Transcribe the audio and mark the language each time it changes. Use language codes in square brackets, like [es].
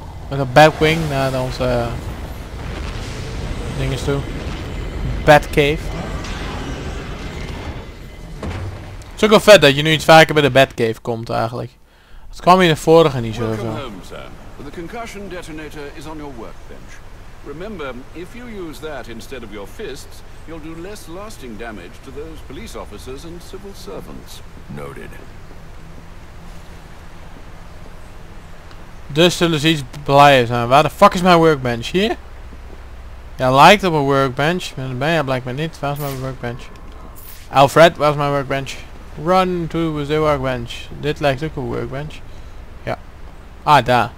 [nl] Met een Batwing naar onze dinges toe. Batcave. Het is ook wel vet dat je nu iets vaker bij de Batcave komt eigenlijk. Het kwam hier de vorige niet zo veel. [en] Welcome home, sir. The concussion detonator is on your workbench. Remember, if you use that instead of your fists, you'll do less lasting damage to those police officers and civil servants. Noted. [nl] Dus zullen ze iets blijer zijn. Waar de fuck is mijn workbench? Hier? Ja, lijkt op een workbench, maar dan ben je blijkbaar niet. Waar is mijn workbench? Alfred, waar is mijn workbench? [en] Run to the workbench. [nl] Dit lijkt ook op een workbench. Ja. Ah, daar.